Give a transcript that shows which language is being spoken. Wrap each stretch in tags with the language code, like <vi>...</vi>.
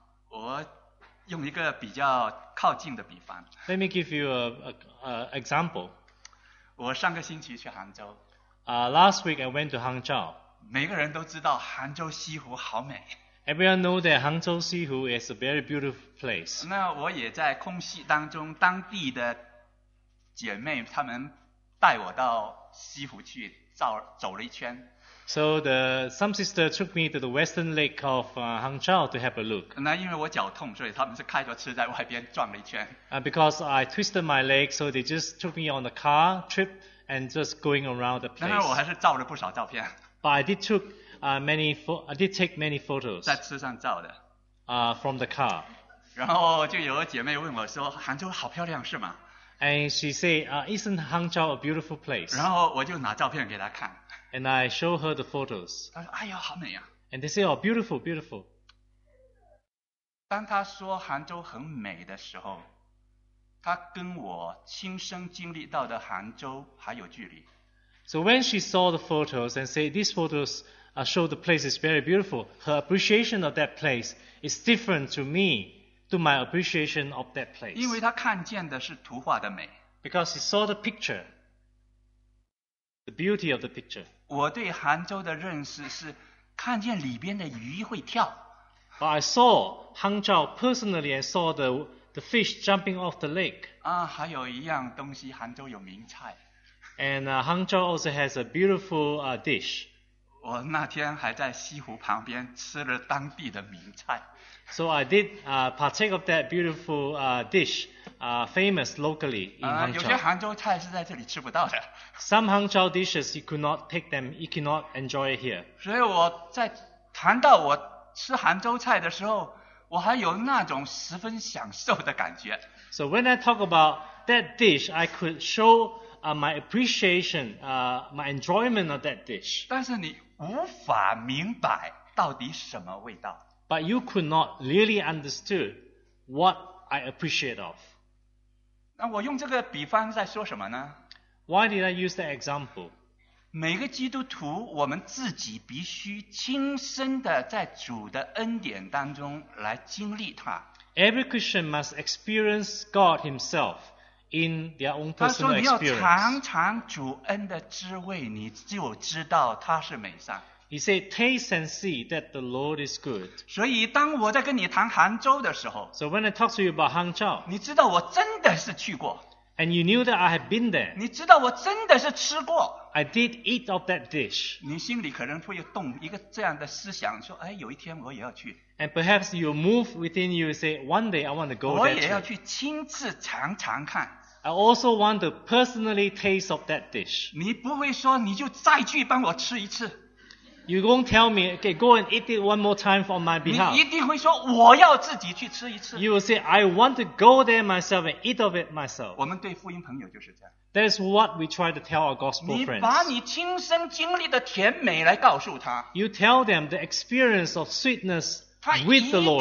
<zh>我用一个比较靠近的比方。</zh> <en>Let me give you an example.</en> <zh>我上个星期去杭州。</zh> <en>Last week I went to Hangzhou.</en> <zh>每个人都知道杭州西湖好美。</zh> <en>Everyone knows that Hangzhou 西湖 is a very beautiful place.</en> <zh>那我也在空隙当中，当地的姐妹她们带我到西湖去走了一圈。</zh> <en>So some sister took me to the western lake of Hangzhou to have a look.</en> <zh>那因为我脚痛，所以他们是开着车在外边转了一圈。</zh> <en>Because I twisted my leg, so they just took me on the car trip and just going around the place.</en> <zh>但是我还是照了不少照片。</zh> <en>But I did take many photos.</en> <zh>在车上照的。</zh> <en>From the car.</en> <zh>然后就有个姐妹问我说：“杭州好漂亮，是吗？”</zh> <en>And she said, "Isn't Hangzhou a beautiful place?"</en> <zh>然后我就拿照片给她看。</zh> <en>And I show her the photos.</en> <zh>她说：“哎呦，好美呀！”</zh> <en>And they say, "Oh, beautiful, beautiful."</en> <zh>当她说杭州很美的时候，她跟我亲身经历到的杭州还有距离。</zh> <en>So when she saw the photos and said these photos show the place is very beautiful, her appreciation of that place is different to me, to my appreciation of that place.</en> <zh>因为她看见的是图画的美。</zh> <en>Because she saw the picture. The beauty of the picture.</en> <zh>我对杭州的认识是看见里边的鱼会跳。</zh> <en>But I saw Hangzhou personally and saw the fish jumping off the lake.</en> <zh>还有一样东西，杭州有名菜。</zh> <en>And Hangzhou also has a beautiful dish.</en> <zh>我那天还在西湖旁边吃了当地的名菜。</zh> <en>So I did partake of that beautiful dish, famous locally in Hangzhou.</en> <zh>有些杭州菜是在这里吃不到的。</zh> <en>Some Hangzhou dishes you could not take them, you cannot enjoy it here.</en> <zh>所以我在谈到我吃杭州菜的时候，我还有那种十分享受的感觉。</zh> <en>So when I talk about that dish, I could show my appreciation, my enjoyment of that dish.</en> <zh>但是你无法明白到底什么味道。</zh> <en>But you could not really understand what I appreciate of.</en> <zh>那我用这个比方在说什么呢？</zh> <en>Why did I use that example?</en> <zh>每个基督徒，我们自己必须亲身的在主的恩典当中来经历它。</zh> <en>Every Christian must experience God himself in their own personal experience.</en> <zh>他说你要尝尝主恩的滋味，你就知道他是美善。</zh> <en>He said, taste and see that the Lord is good.</en> <zh>所以当我在跟你谈杭州的时候，</zh> <en>So when I talk to you about Hangzhou,</en> <zh>你知道我真的是去过。</zh> <en>And you knew that I had been there.</en> <zh>你知道我真的是吃过。</zh> <en>I did eat of that dish.</en> <zh>你心里可能会动一个这样的思想，说，哎，有一天我也要去。</zh> <en>And perhaps you move within you and say, one day I want to go there.</en> <zh>我也要去亲自尝尝看。</zh> <en>I also want to personally taste of that dish.</en> <zh>你不会说你就再去帮我吃一次。</zh> <en>You won't tell me, okay, go and eat it one more time on my behalf.</en> <zh>你一定会说我要自己去吃一次。</zh> <en>You will say, I want to go there myself and eat of it myself.</en> <zh>我们对福音朋友就是这样。</zh> <en>That is what we try to tell our gospel friends.</en> <zh>你把你亲身经历的甜美来告诉他。</zh> <en>You tell them the experience of sweetness with the Lord.</en>